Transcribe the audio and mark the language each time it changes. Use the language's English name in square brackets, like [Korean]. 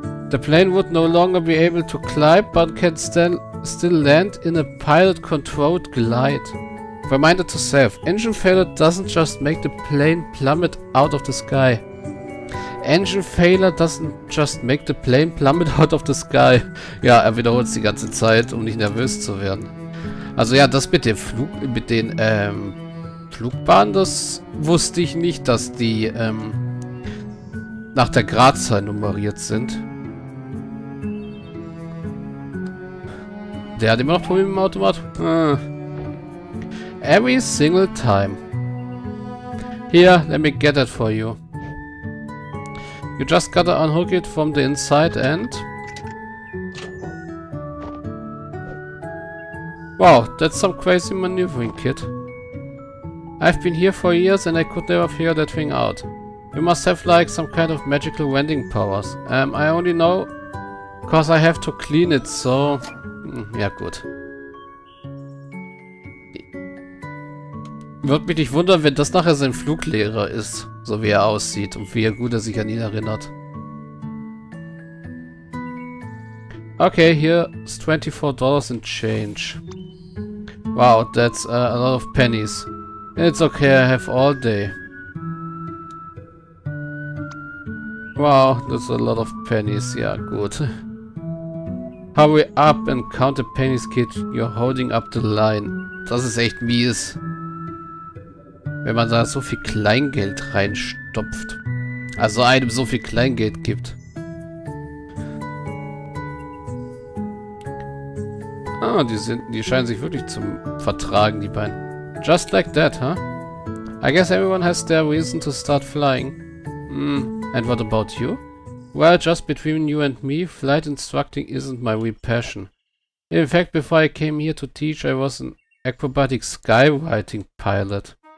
[English] The plane would no longer be able to climb, but can still land in a pilot-controlled glide. Reminder to self, engine failure doesn't just make the plane plummet out of the sky. Engine failure doesn't just make the plane plummet out of the sky. [German] Ja, er wiederholt es die ganze Zeit, um nicht nervös zu werden. Also ja, das mit dem Flugbahn, das wusste ich nicht, dass die nach der Gradzahl nummeriert sind. Der hat immer noch Probleme im Automat. [English] Every single time. Here, let me get it for you. You just gotta unhook it from the inside end. Wow, that's some crazy maneuvering kit. I've been here for years and I could never figure that thing out. You must have like some kind of magical wending powers. I only know, cause I have to clean it, so... [German] Ja, gut. Würde mich nicht wundern, wenn das nachher sein Fluglehrer ist, so wie er aussieht und wie gut er sich an ihn erinnert. [English] Okay, here's $24 in change. Wow, that's a lot of pennies. It's okay, I have all day. Wow, that's a lot of pennies. [German] Ja, gut. [English] Hurry up and count the pennies, kid. You're holding up the line. [German] Das ist echt mies. Wenn man da so viel Kleingeld reinstopft. Also einem so viel Kleingeld gibt. Ah, die scheinen sich wirklich zu vertragen, die beiden. [English] Just like that, huh? I guess everyone has their reason to start flying. And what about you? Well, just between you and me, flight instructing isn't my real passion. In fact, before I came here to teach, I was an acrobatic skywriting pilot.